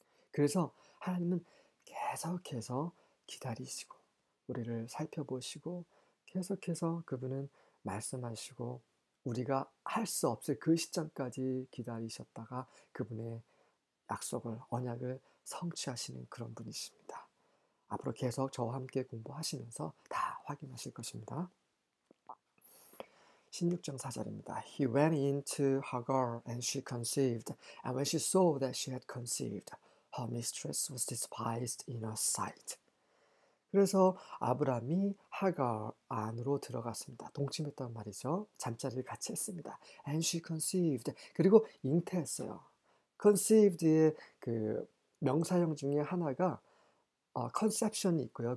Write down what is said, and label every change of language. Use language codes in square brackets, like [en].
[ko] 그래서 하나님은 계속해서 기다리시고, 우리를 살펴보시고, 계속해서 그분은 말씀하시고, 우리가 할수 없을 그 시점까지 기다리셨다가 그분의 약속을, 언약을 성취하시는 그런 분이십니다. 앞으로 계속 저와 함께 공부하시면서 다 확인하실 것입니다. 16장 4절입니다. [en] He went into Hagar and she conceived, and when she saw that she had conceived, her mistress was despised in her sight. [ko] 그래서 아브라함이 하갈 안으로 들어갔습니다. 동침했단 말이죠. 잠자리를 같이 했습니다. [en] And she conceived. [ko] 그리고 잉태했어요. conceived의 그 명사형 중에 하나가 conception이 있고요.